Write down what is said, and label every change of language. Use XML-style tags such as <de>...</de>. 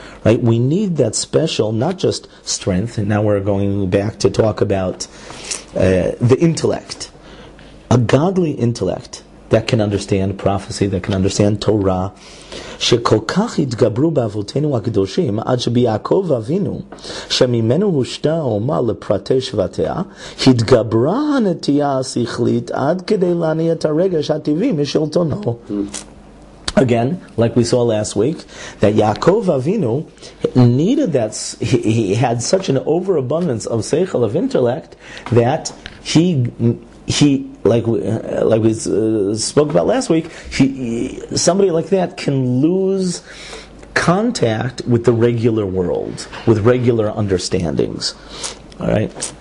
<en>Right, we need that special, not just strength. And now we're going back to talk about the intellect, a godly intellect that can understand prophecy, that can understand Torah.</en> <he>שכל כך התגברו באבותינו הקדושים עד שביעקב אבינו שממנו הושתה האומה לפרטי שבטיה התגברה הנטייה השכלית עד כדי להניע את הרגש הטבעי משלטונו.</he> <en>Again, like we saw last week, that Yaakov Avinu needed that, he had such an overabundance of seichel, of intellect, that he, like we spoke about last week, somebody like that can lose contact with the regular world, with regular understandings. All right.</en>